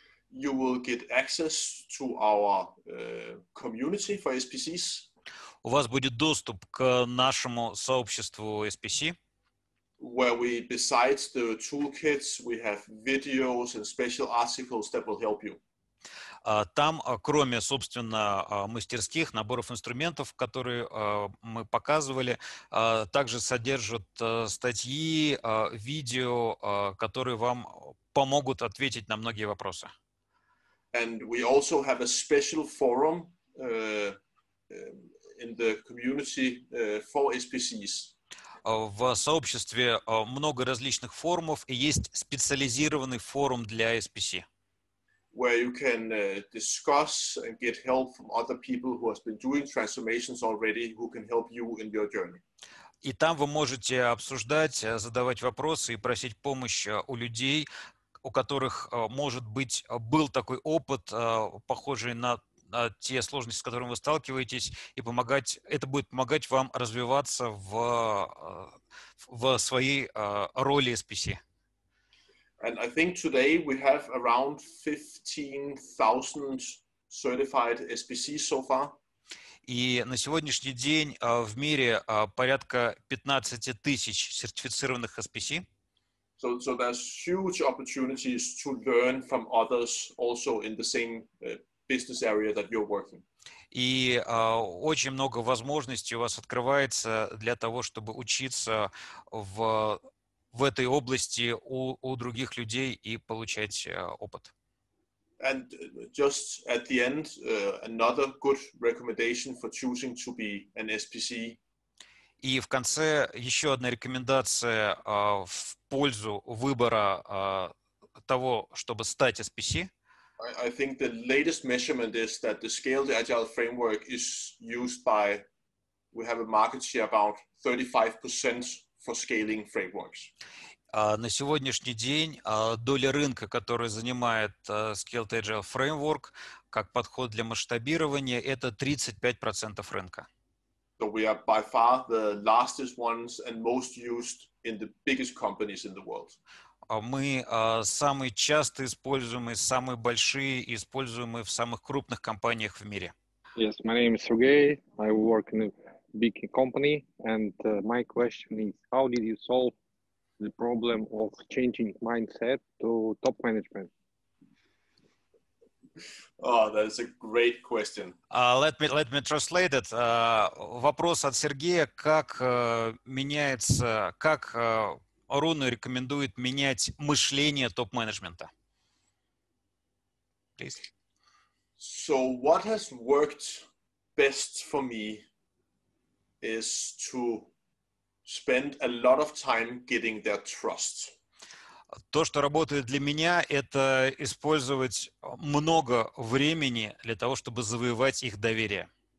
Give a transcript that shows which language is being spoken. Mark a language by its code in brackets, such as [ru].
[en] You will get access to our community for SBCs. [ru] У вас будет доступ к нашему сообществу SBC. [en] Where we, besides the toolkits, we have videos and special articles that will help you. [ru] Там, кроме, собственно, мастерских, наборов инструментов, которые мы показывали, также содержат статьи, видео, которые вам помогут ответить на многие вопросы. [en] And we also have a special forum in the community for SBCs. [ru] В сообществе много различных форумов, и есть специализированный форум для SBC. [en] Where you can discuss and get help from other people who have been doing transformations already, who can help you in your journey. [ru] И там вы можете обсуждать, задавать вопросы и просить помощи у людей, у которых, может быть, был такой опыт, похожий на те сложности, с которыми вы сталкиваетесь, и помогать, это будет помогать вам развиваться в своей роли SPC. [en] And I think today we have around 15,000 certified SPCs so far. [ru] И на сегодняшний день в мире порядка 15,000 сертифицированных SPC. [en] So there's huge opportunities to learn from others also in the same business area that you're working. [ru] И очень много возможностей у вас открывается для того, чтобы учиться в этой области у других людей и получать опыт. [en] And just at the end, another good recommendation for choosing to be an SPC. [ru] И в конце еще одна рекомендация в пользу выбора того, чтобы стать SPC. [en] I think the latest measurement is that the Scaled Agile framework is used by, we have a market share about 35% for scaling frameworks. [ru] На сегодняшний день доля рынка, которую занимает Scaled Agile framework как подход для масштабирования, это 35% рынка. [en] So we are by far the largest ones and most used in the biggest companies in the world. [ru] Мы самые часто используемые, самые большие используемые в самых крупных компаниях в мире. [en] Yes, my name is Sergey. I work in a big company, and my question is, how did you solve the problem of changing mindset to top management? Oh, that is a great question. Let me translate it. [ru] Вопрос от Сергея, как меняется, как Руна рекомендует менять мышление топ-менеджмента. [en] Please. So what has worked best for me is to spend a lot of time getting their trust. [ru] То, что работает для меня, это использовать много времени для того, чтобы завоевать их доверие.